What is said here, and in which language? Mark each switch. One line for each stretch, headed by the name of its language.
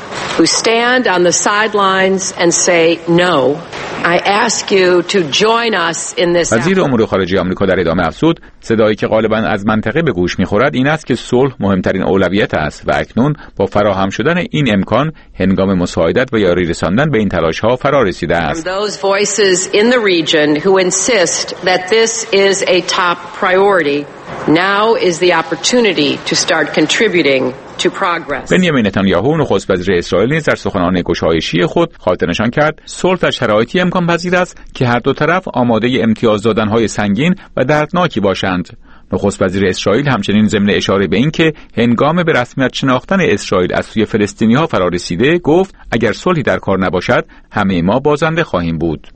English: Who stand on the sidelines and say no, I ask you to join us in this.
Persian: وزیر امور خارجه آمریکا در ادامه افزود صدایی که غالبا از منطقه به گوش می‌خورد این است که صلح مهمترین اولویت است و اکنون با فراهم شدن این امکان هنگام مساعدت و یاری رساندن به این تلاش‌ها فرا رسیده است.
English: Those voices in the region who insist that this is a top priority, now is the opportunity to start contributing.
Persian: بنیامین نتانیاهو نخست وزیر اسرائیل نیز در سخنان گشایشی خود خاطر نشان کرد صلح در شرایطی امکان پذیر است که هر دو طرف آماده امتیاز دادن‌های سنگین و دردناکی باشند. نخست وزیر اسرائیل همچنین ضمن اشاره به این که هنگام به رسمیت شناختن اسرائیل از سوی فلسطینی‌ها فرا رسیده گفت اگر صلحی در کار نباشد همه ما بازنده خواهیم بود.